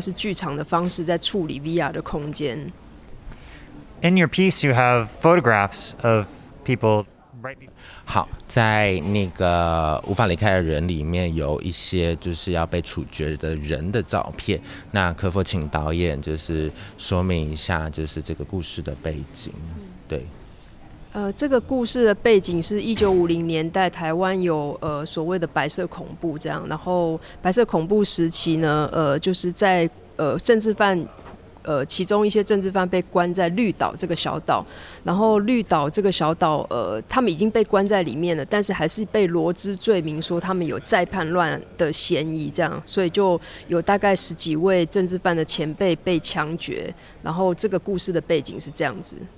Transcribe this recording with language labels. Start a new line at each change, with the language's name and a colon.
Chinese: 我之前是拍剧情片跟纪录片这样，然后我拍的纪录片很多是关于剧场跟舞蹈的，然后也关于很多现代当代的艺术家。那所以当我在做VR的时候，我第一支片的时候，我就觉得VR它是一个关于空间的一个艺术这样，然后跟电影很不一样，电影可能是关于时间的。那后来我就用了很多比较是剧场的方式在处理VR的空间。
English: In your piece, you have photographs of people right before.
Chinese: 好，在那个无法离开的人里面，有一些就是要被处决的人的照片。那可否请导演就是说明一下，就是这个故事的背景？对。这个故事的背景是1950年代台湾有所谓的白色恐怖这样，然后白色恐怖时期呢，就是在政治犯其中一些政治犯被关在绿岛这个小岛，然后绿岛这个小岛他们已经被关在里面了，但是还是被罗织罪名说他们有再叛乱的嫌疑这样，所以就有大概十几位政治犯的前辈被枪决，然后这个故事的背景是这样子。